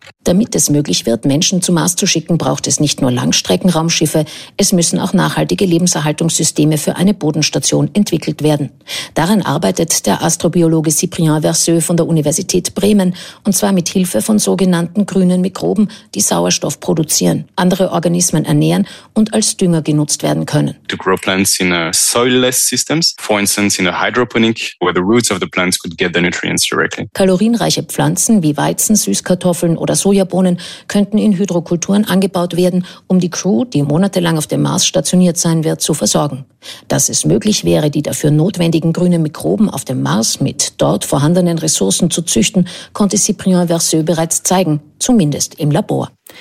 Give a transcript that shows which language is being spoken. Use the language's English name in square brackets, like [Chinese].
[German] Damit es möglich wird, Menschen zum Mars zu schicken, braucht es nicht nur Langstreckenraumschiffe, es müssen auch nachhaltige Lebenserhaltungssysteme für eine Bodenstation entwickelt werden. Daran arbeitet der Astrobiologe Cyprien Verseux von der Universität Bremen, und zwar mit Hilfe von sogenannten grünen Mikroben, die Sauerstoff produzieren, andere Organismen ernähren und als Dünger genutzt werden können. [English] To grow plants in a soil-less systems, for instance in a hydroponic, where the roots of the plants could get the nutrients directly. [German] Kalorienreiche Pflanzen wie Weizen, Süßkartoffeln oder Sojabohnen könnten in Hydrokulturen angebaut werden, um die Crew, die monatelang auf dem Mars stationiert sein wird, zu versorgen. Dass es möglich wäre, die dafür notwendigen grünen Mikroben auf dem Mars mit dort vorhandenen Ressourcen zu züchten, konnte Cyprien Verseux bereits zeigen, zumindest im Labor.